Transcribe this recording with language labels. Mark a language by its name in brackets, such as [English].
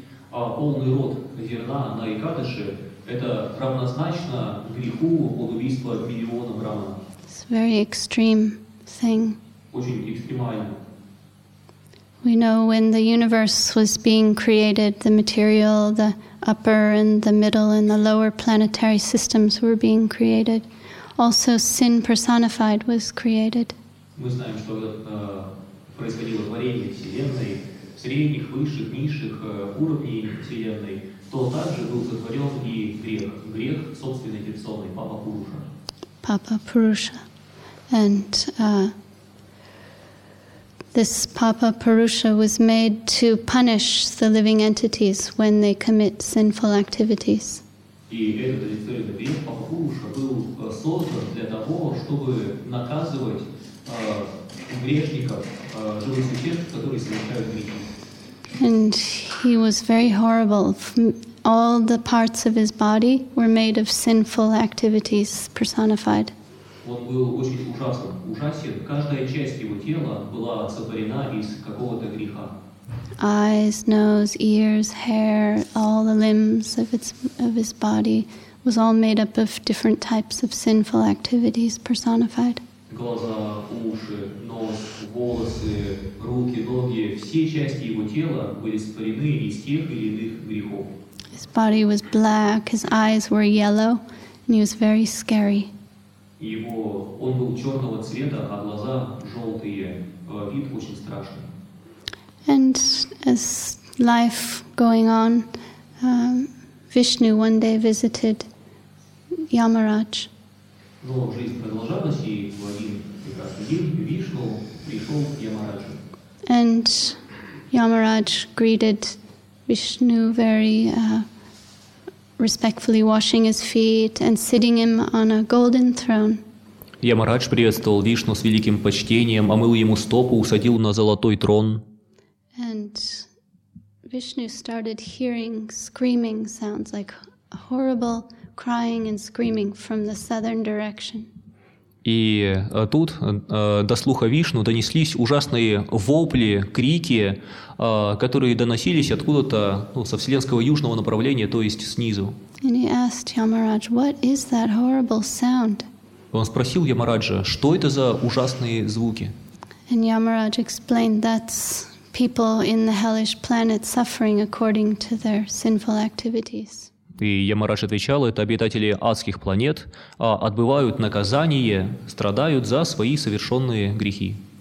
[Russian] А полный рот зерна на Экадаши это равнозначно греху от убийства миллиона брахманов. [English] It's a very extreme thing. [Russian] Очень экстремально. [English] We know when the universe was being created, the material, the upper and the middle and the lower planetary systems were being created. Also, sin personified was created. [Russian] Мы знаем, что происходило творение Вселенной. Средних, высших, низших уровней Вселенной, то также был сотворен и грех. Грех собственной персоной, Папа Пуруша. Папа Пуруша. [English] And this Папа Пуруша was made to punish the living entities when they commit sinful activities. [Russian] И этот рецепт грех Папа Пуруша был создан для того, чтобы наказывать грешников, живых существ, которые совершают грехи. [English] And he was very horrible. All the parts of his body were made of sinful activities personified. [Russian] Он был очень ужасным. Ужасен. Каждая часть его тела была сотворена из какого-то греха. [English] Eyes, nose, ears, hair, all the limbs of his body was all made up of different types of sinful activities personified. [Russian] Глаза, уши, нос, волосы, руки, ноги, все части его тела были сотворены из тех или иных грехов. [English] His body was black, his eyes were yellow, and he was very scary. [Russian] Его, он был черного цвета, а глаза желтые. Вид очень страшный. [English] And as life going on, Vishnu one day visited Yamaraj. [Russian] Но жизнь продолжалась, и в один прекрасный день Вишну пришел к Ямараджу. [English] And Yamaraj greeted Vishnu very respectfully, washing his feet and sitting him on a golden throne. [Russian] Ямарадж приветствовал Вишну с великим почтением, омыл ему стопу, усадил на золотой трон. [English] And Vishnu started hearing screaming sounds, like horrible crying and screaming from the southern direction. [Russian] И тут до слуха Вишну донеслись ужасные вопли, крики, которые доносились откуда-то, ну, со вселенского южного направления, то есть снизу. [English] And he asked Yamaraj, what is that horrible sound? [Russian] Он спросил Ямараджа, что это за ужасные звуки. [English] And Yamaraj explained, that's people in the hellish planet suffering according to their sinful activities. [Russian] И Ямарадж отвечал, это обитатели адских планет отбывают наказание, страдают за свои совершенные грехи.